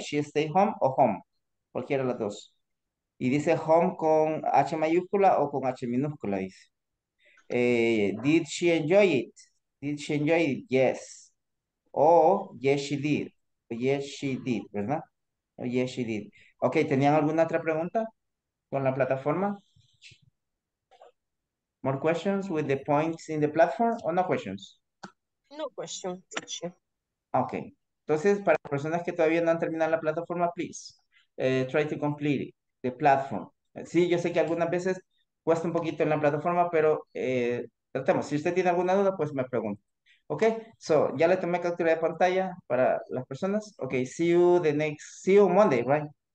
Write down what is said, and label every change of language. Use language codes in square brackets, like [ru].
[en] She stay home [es] o home. Cualquiera de las dos. Y dice home con H mayúscula o con H minúscula, dice. [en] Did she enjoy it? Did she enjoy it? Yes. O yes, she did. Yes, she did, ¿verdad? O yes, she did. [es] Ok, ¿tenían alguna otra pregunta con la plataforma? [en] More questions with the points in the platform or no questions? No questions. [es] Ok. Entonces, para personas que todavía no han terminado la plataforma, [en] please, try to complete it, the platform. [es] Sí, yo sé que algunas veces cuesta un poquito en la plataforma, pero tratemos. Si usted tiene alguna duda, pues me pregunte. Ok, so, ya le tomé captura de pantalla para las personas. [en] Ok, see you the next, see you Monday, right?